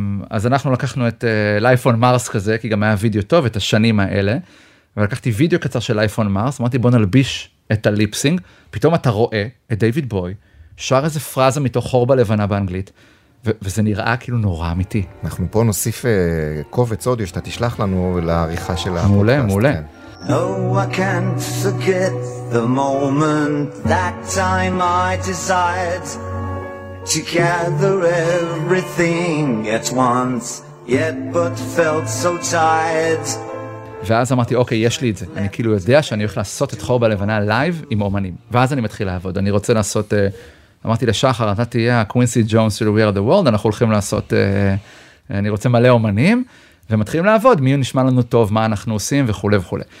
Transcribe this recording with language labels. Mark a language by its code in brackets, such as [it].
[he] אז אנחנו לקחנו את Life on Mars כזה, כי גם היה וידאו טוב, את השנים האלה, ולקחתי וידאו קצר של Life on Mars, אמרתי, בוא נלביש את הליפסינג, פתאום אתה רואה את דיוויד בוי, שר איזה פרזה מתוך חור בלבנה באנגלית, וזה נראה כאילו נורא אמיתי. אנחנו פה נוסיף קובץ אודיו שאתה תשלח לנו לעריכה של הפודקאסט. מעולה, מעולה. [en] Oh, I can't forget the moment that time I desired to gather everything at once, yet but felt so tired. [he] ואז אמרתי, אוקיי, יש לי את זה. אני כאילו יודע שאני הולך לעשות את חור בלבנה לייב עם אומנים. ואז אני מתחיל לעבוד. אני רוצה לעשות, אמרתי לשחר, אתה תהיה קווינסי ג'ונס של We Are The World, אנחנו הולכים לעשות, אני רוצה מלא אומנים, ומתחילים לעבוד, מי נשמע לנו טוב, מה אנחנו עושים וכו' וכו'.